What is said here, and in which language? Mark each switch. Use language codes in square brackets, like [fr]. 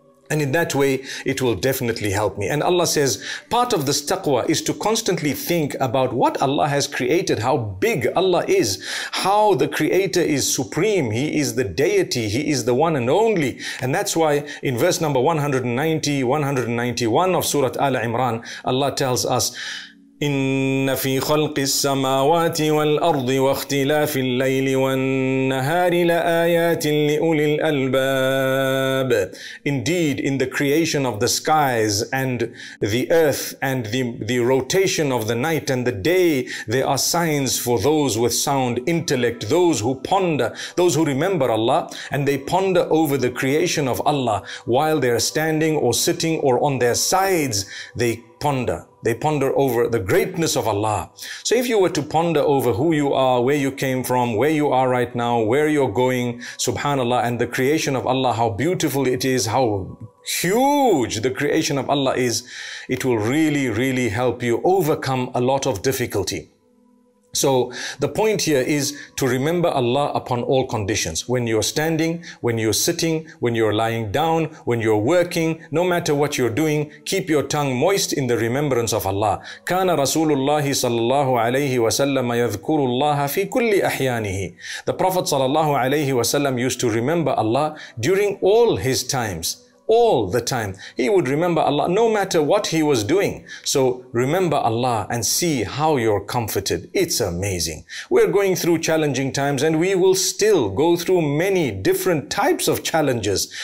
[en] And in that way, it will definitely help me. And Allah says, part of this taqwa is to constantly think about what Allah has created, how big Allah is, how the Creator is supreme. He is the deity. He is the one and only. And that's why in verse number 190, 191 of Surah Al-Imran, Allah tells us, [ar] إن في خلق السماوات والأرض واختلاف الليل والنهار لآيات لأولي الألباب. [en] Indeed, in the creation of the skies and the earth and the rotation of the night and the day, there are signs for those with sound intellect, those who ponder, those who remember Allah, and they ponder over the creation of Allah while they are standing or sitting or on their sides, they ponder. They ponder over the greatness of Allah. So if you were to ponder over who you are, where you came from, where you are right now, where you're going, subhanAllah, and the creation of Allah, how beautiful it is, how huge the creation of Allah is, it will really, really help you overcome a lot of difficulty. So the point here is to remember Allah upon all conditions. When you're standing, when you're sitting, when you're lying down, when you're working, no matter what you're doing, keep your tongue moist in the remembrance of Allah. [ar] كان رسول الله صلى الله عليه وسلم يذكر الله في كل أحيانه. [en] The Prophet [ar] صلى الله عليه وسلم [en] used to remember Allah during all his times. All the time. He would remember Allah no matter what he was doing. So remember Allah and see how you're comforted. It's amazing. We're going through challenging times and we will still go through many different types of challenges.